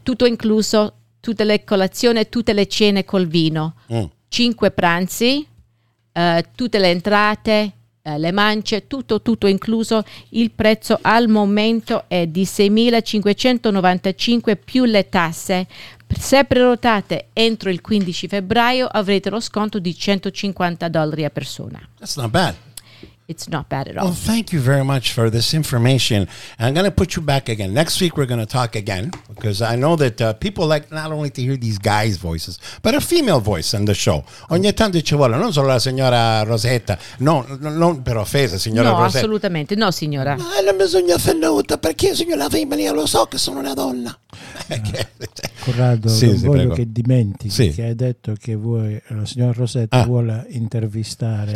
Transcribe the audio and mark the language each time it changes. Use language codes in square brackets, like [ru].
[it] Tutto incluso, tutte le colazioni, tutte le cene col vino, cinque pranzi, tutte le entrate, le mance, tutto incluso. Il prezzo al momento è di 6.595 più le tasse. Se prenotate entro il 15 febbraio avrete lo sconto di $150 a persona. [en] That's not bad. It's not bad at all. Well, thank you very much for this information. I'm going to put you back again. Next week, we're going to talk again, because I know that people like not only to hear these guys' voices, but a female voice on the show. [it] Ogni tanto ci vuole, non solo la signora Rosetta. No, non per offesa, signora Rosetta. No, assolutamente. No, signora. Ma non bisogna essere neutra, perché signora femmina, io lo so che sono una donna. Corrado, sì, non voglio, prego, che dimentichi, sì, che hai detto che vuoi, la signora Rosetta vuole intervistare.